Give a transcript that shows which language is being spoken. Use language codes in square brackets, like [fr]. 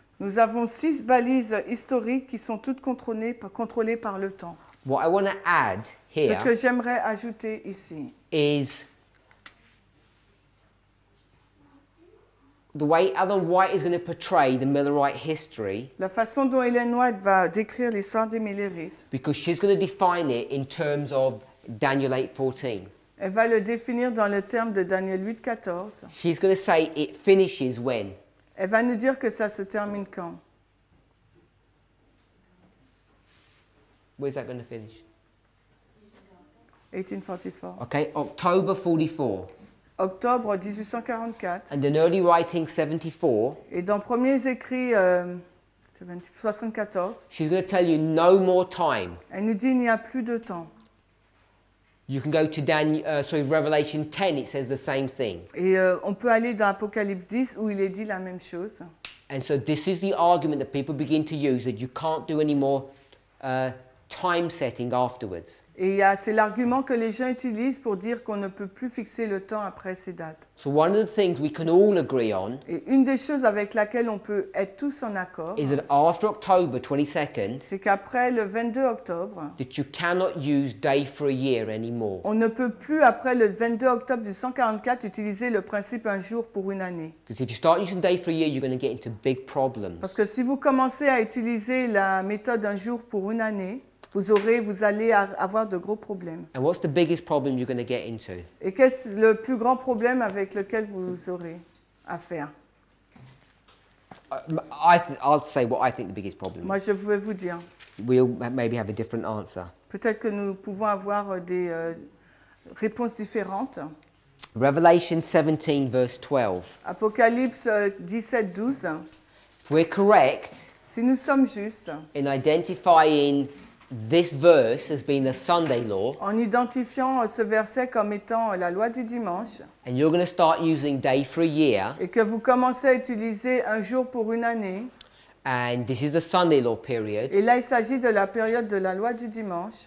[fr] Nous avons 6 balises historiques qui sont toutes contrôlées par le temps. [en] What I want to add here, [fr] ce que j'aimerais ajouter ici, [en] is the way Ellen White is going to portray the Millerite history. [fr] La façon dont Ellen White va décrire l'histoire des Millerites. [en] Because she's going to define it in terms of Daniel 8:14. [fr] Elle va le définir dans le terme de Daniel 8:14. [en] She's going to say it finishes when. [fr] Elle va nous dire que ça se termine quand. [en] Where's that going to finish? 1844. Okay, October 44. [fr] Octobre 1844. [en] And then early writing 74. [fr] Et dans premiers écrits 74. [en] She's going to tell you no more time. [fr] Elle nous dit il n'y a plus de temps. [en] You can go to Revelation 10, it says the same thing. [fr] Et on peut aller dans Apocalypse 10 où il est dit la même chose. [en] And so this is the argument that people begin to use, that you can't do any more time setting afterwards. [fr] Et c'est l'argument que les gens utilisent pour dire qu'on ne peut plus fixer le temps après ces dates. [en] So one of the things we can all agree on. [fr] Et une des choses avec laquelle on peut être tous en accord. [en] Is that after October 22nd. [fr] C'est qu'après le 22 octobre. [en] That you cannot use day for a year anymore. [fr] On ne peut plus après le 22 octobre du 144 utiliser le principe un jour pour une année. [en] Because if you start using day for a year, you're going to get into big problems. [fr] Parce que si vous commencez à utiliser la méthode un jour pour une année. Vous allez avoir de gros problèmes. [en] And what's the biggest problem you're going to get into? [fr] Et qu'est-ce le plus grand problème avec lequel vous aurez à faire? [en] I'll say what I think the biggest problem. [fr] Moi, je vais vous dire. [en] We'll maybe have a different answer. [fr] Peut-être que nous pouvons avoir des réponses différentes. [en] Revelation 17 verse 12. [fr] Apocalypse 17 12. [en] If we're correct. [fr] Si nous sommes justes. [en] In identifying this verse has been the Sunday law. [fr] En identifiant ce verset comme étant la loi du dimanche. [en] And you're going to start using day for a year. [fr] Et que vous commencez à utiliser un jour pour une année. [en] And this is the Sunday law period. [fr] Et là, il s'agit de la période de la loi du dimanche.